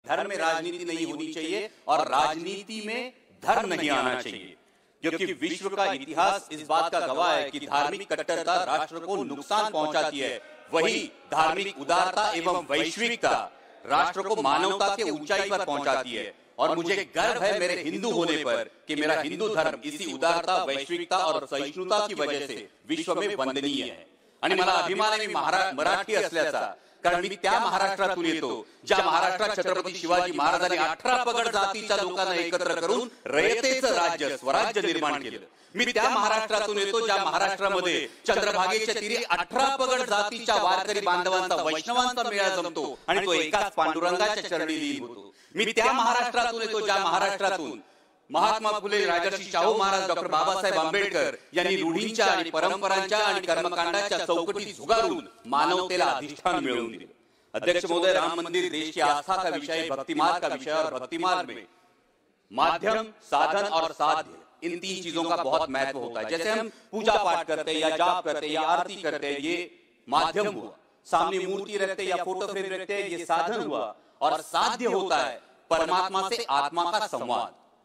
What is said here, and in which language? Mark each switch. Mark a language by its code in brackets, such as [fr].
[hi] धर्म में राजनीति नहीं होनी चाहिए और राजनीति में धर्म नहीं आना चाहिए, क्योंकि विश्व का इतिहास इस बात का गवाह है कि धार्मिक कट्टरता राष्ट्र को नुकसान पहुंचाती है, वही धार्मिक उदारता एवं वैश्विकता राष्ट्र को मानवता के ऊंचाई पर पहुंचाती है। और मुझे गर्व है मेरे हिंदू होने पर कि मेरा हिंदू धर्म इसी उदारता वैश्विकता और सहिष्णुता की वजह से विश्व में वंदनीय है। [mr] आणि मला अभिमान आहे मी मराठी असल्याचा, कारण मी त्या महाराष्ट्रातून येतो ज्या महाराष्ट्रात छत्रपती शिवाजी महाराजांनी 18 पगड जातीच्या लोकांना एकत्र करून रयतेचं राज्य स्वराज्य निर्माण केलं। मी त्या महाराष्ट्रातून येतो ज्या महाराष्ट्रामध्ये चंद्रभागेच्या तीरी 18 पगड जातीच्या वारकरी बांधवांचा वैष्णवांचा मेळा जमतो आणि तो एकाच पांडुरंगाच्या चरणी लीन होतो। मी त्या महाराष्ट्रातून येतो ज्या महाराष्ट्रातून महात्मा फुले, राजर्षी शाहू महाराज, डॉक्टर बाबासाहेब आंबेडकर यांनी रूढींच्या आणि परंपरांच्या आणि कर्मकांडाच्या चौकटी झुगारून मानवतेला अधिष्ठान मिळवून दिले। [hi] अध्यक्ष महोदय, राम मंदिर देश की आस्था का विषय, भक्तिमार्ग का विषय, और भक्तिमार्ग में माध्यम, साधन और साध्य, इन तीन चीजों का बहुत महत्व होता है। जैसे हम पूजा पाठ करते या जाप करते या आरती करते, ये माध्यम हुआ, सामने मूर्ति रखते या फोटो फ्रेम रखते, ये साधन हुआ, और साध्य होता है परमात्मा से आत्मा का संवाद।